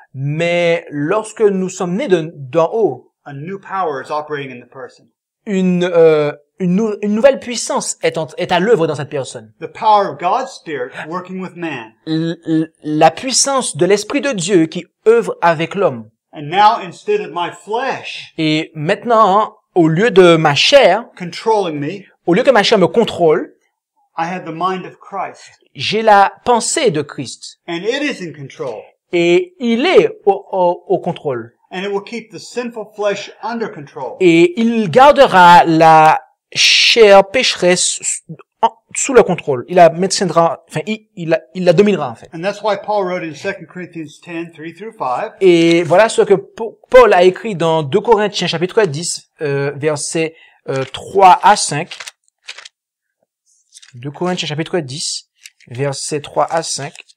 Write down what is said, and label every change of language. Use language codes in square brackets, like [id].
[fr] mais lorsque nous sommes nés d'en haut, [en] a new power is operating in the person. [fr] Une nouvelle puissance est à l'œuvre dans cette personne. [en] The power of God's spirit working with man. [fr] La puissance de l'Esprit de Dieu qui œuvre avec l'homme. [en] And now, instead of my flesh, [fr] et maintenant, au lieu de ma chair, [en] controlling me, [fr] au lieu que ma chair me contrôle, [en] I have the mind of Christ. [fr] J'ai la pensée de Christ. [en] And it is in control. [fr] Et il est au contrôle. [en] And it will keep the sinful flesh under control. [fr] Et il gardera la chair pécheresse sous le contrôle. Il la maintiendra, enfin, il la dominera, en fait. [en] And that's why Paul wrote in 2 Corinthians 10, 3 through 5. [fr] Et voilà ce que Paul a écrit dans 2 Corinthiens, chapitre 10, versets 3 à 5. 2 Corinthiens, chapitre 10, versets 3 à 5.